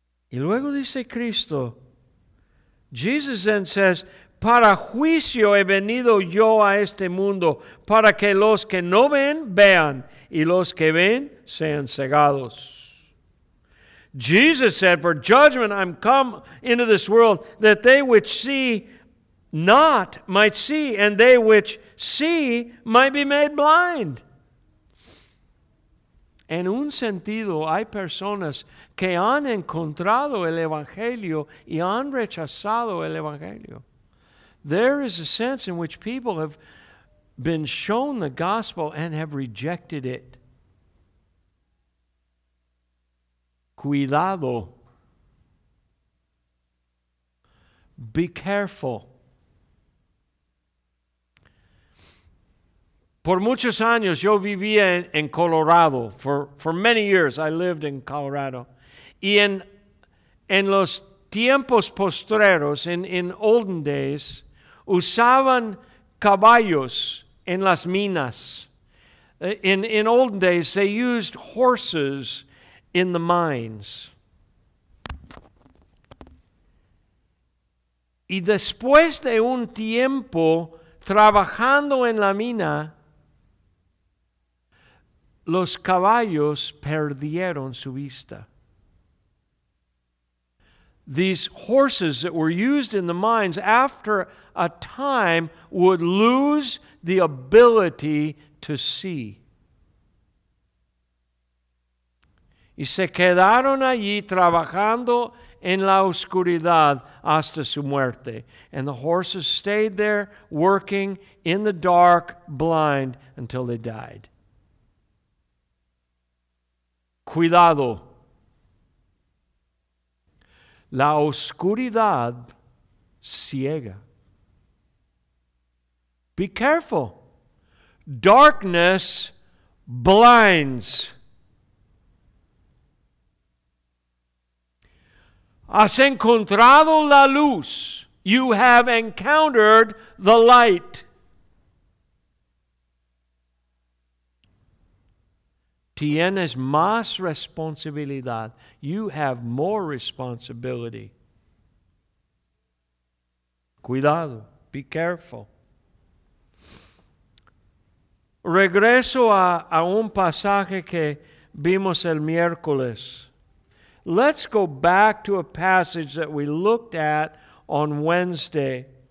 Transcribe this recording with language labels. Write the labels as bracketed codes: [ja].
[es] Y luego dice Cristo, [en] Jesus then says, [es] para juicio he venido yo a este mundo, para que los que no ven, vean, y los que ven, sean cegados. [en] Jesus said, for judgment I'm come into this world, that they which see not might see, and they which see might be made blind. [es] En un sentido, hay personas que han encontrado el Evangelio y han rechazado el Evangelio. [en] There is a sense in which people have been shown the gospel and have rejected it. [es] Cuidado. [en] Be careful. [es] Por muchos años, yo vivía en Colorado. [en] For many years, I lived in Colorado. [es] Y en los tiempos postreros, [en] in olden days, [es] usaban caballos en las minas. [en] In olden days, they used horses in the mines. [es] Y después de un tiempo trabajando en la mina, los caballos perdieron su vista. [en] These horses that were used in the mines, after a time, would lose the ability to see. [es] Y se quedaron allí trabajando en la oscuridad hasta su muerte. [en] And the horses stayed there working in the dark, blind, until they died. [es] Cuidado. La oscuridad ciega. [en] Be careful. Darkness blinds. [es] Has encontrado la luz. [en] You have encountered the light. [es] Tienes más responsabilidad. [en] You have more responsibility. [es] Cuidado. [en] Be careful. [es] Regreso a un pasaje que vimos el miércoles. [en] Let's go back to a passage that we looked at on Wednesday.